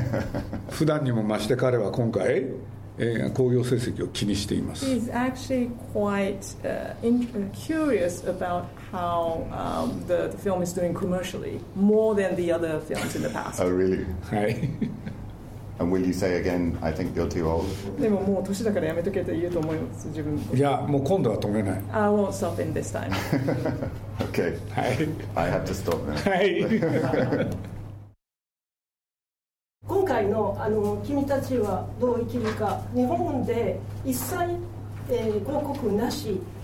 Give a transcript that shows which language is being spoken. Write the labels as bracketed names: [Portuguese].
[Japanese] この君たちはどう生きるかが、少年とサギが大ヒットしちゃったら、世界で彼はまた次作るでしょうね。普段にも増して彼は今回、 [English] He's actually quite curious about how the film is doing commercially, more than the other films in the past. Oh, really? [Japanese] Hi. [English] And will you say again, I think you're too old? [Japanese] でももう年だからやめとけって言うと思います、自分。いや、もう今度は止めない。 [English] I won't stop in this time. Okay. [Japanese] Hi. [English] I have to stop now. [Japanese] Hi. 今回の、君たちはどう生きるか、日本で一切、広告なし、